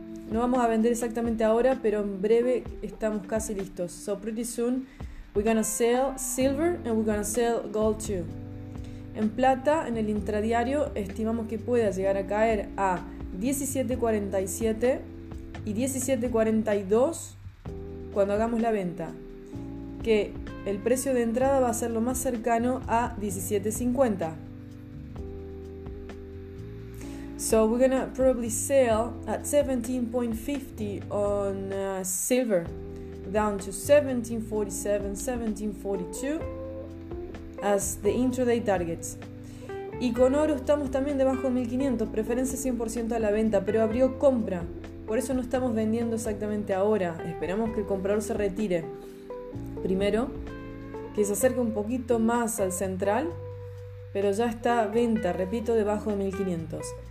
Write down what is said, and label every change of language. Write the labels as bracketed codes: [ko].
[es] No vamos a vender exactamente ahora, pero en breve estamos casi listos. [en] So pretty soon we're gonna sell silver and we're gonna sell gold too. [es] En plata, en el intradiario, estimamos que pueda llegar a caer a 17.47 y 17.42 cuando hagamos la venta. Que el precio de entrada va a ser lo más cercano a 17.50. [en] So we're gonna probably sell at 17.50 on silver, down to 17.47, 17.42. As the intraday targets. [es] Y con oro estamos también debajo de 1500, preferencia 100% a la venta, pero abrió compra. Por eso no estamos vendiendo exactamente ahora. Esperamos que el comprador se retire. Primero, que se acerque un poquito más al central, pero ya está venta, repito, debajo de 1500.